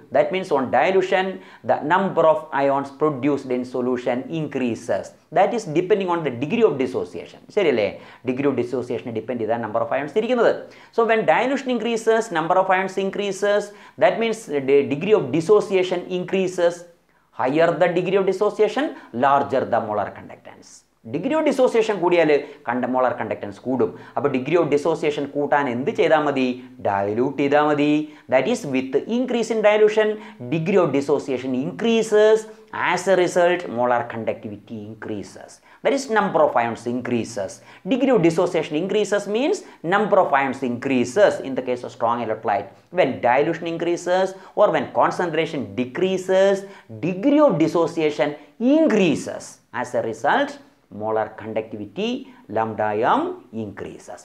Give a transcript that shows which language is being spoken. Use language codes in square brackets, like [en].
[en] That means on dilution the number of ions produced in solution increases. That is depending on the degree of dissociation. [ml] ശരിയല്ലേ? Degree of ഡിസോസിയേഷനെ depend ചെയ്താണ് number of ions ഇരിക്കുന്നത്. [en] So when dilution increases number of ions increases, that means degree of dissociation increases. Higher the degree of dissociation, larger the molar conductance. [ml] Degree of dissociation കൂടിയാൽ molar conductance കൂടും. അപ്പോൾ degree of dissociation കൂട്ടാൻ എന്ത് ചെയ്താൽ മതി? Dilute ചെയ്താൽ മതി. [en] That is with increase in dilution degree of dissociation increases, as a result molar conductivity increases. There is number of ions increases. Degree of dissociation increases means number of ions increases in the case of strong electrolyte. When dilution increases or when concentration decreases, degree of dissociation increases. As a result, molar conductivity lambda m increases.